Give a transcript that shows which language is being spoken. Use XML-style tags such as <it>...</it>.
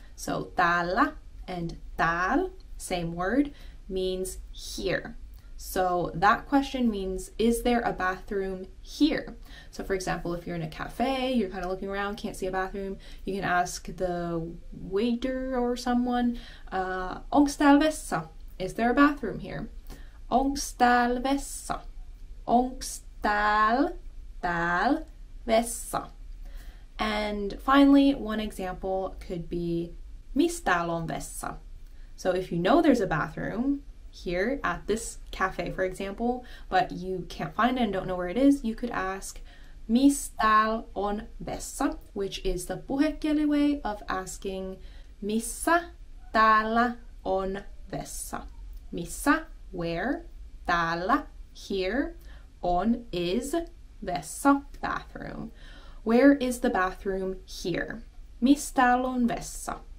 <en>So täällä and tääl, same word, means here. So that question means, is there a bathroom here? So for example, if you're in a cafe, you're kind of looking around, can't see a bathroom, you can ask the waiter or someone,</en> <fi>Onks tääl vessa?</fi> <en>Is there a bathroom here?</en> <fi>Onks tääl vessa? Onks tääl vessa?</fi> <en>And finally, one example could be</en> <fi>Miss tääl on vessa?</fi> <en>So if you know there's a bathroom here at this cafe, for example, but you can't find it and don't know where it is, you could ask</en> <fi>Miss tääl on vessa?</fi> <en>Which is the puhekieli way of asking</en> <fi>Missä täällä on vessa?</fi> <en>Missä, where? Täällä, here, on, is, vessa, bathroom. Where is the bathroom here?</en> <fi>Missä täällä on vessa?</fi>